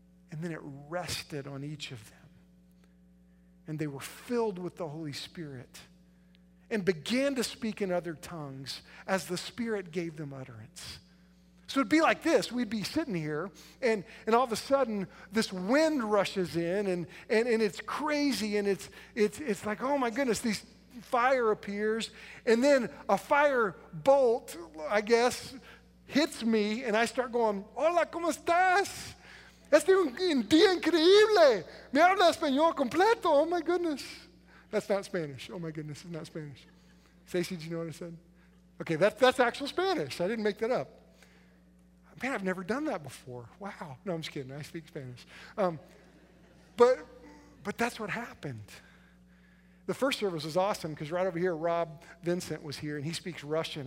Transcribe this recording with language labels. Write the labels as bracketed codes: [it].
[en] And then it rested on each of them. And they were filled with the Holy Spirit and began to speak in other tongues as the Spirit gave them utterance. So it'd be like this. We'd be sitting here, and all of a sudden, this wind rushes in, and it's crazy, and it's like, oh my goodness, these fire appears. And then a fire bolt, I guess, hits me, and I start going, [es] hola, ¿cómo estás? Este es un día increíble. Me habla español completo. [en] Oh, my goodness. That's not Spanish. Oh, my goodness, it's not Spanish. Stacy, do you know what I said? Okay, that's actual Spanish. I didn't make that up. Man, I've never done that before. Wow. No, I'm just kidding. I speak Spanish. But that's what happened. The first service was awesome because right over here, Rob Vincent was here, and he speaks Russian.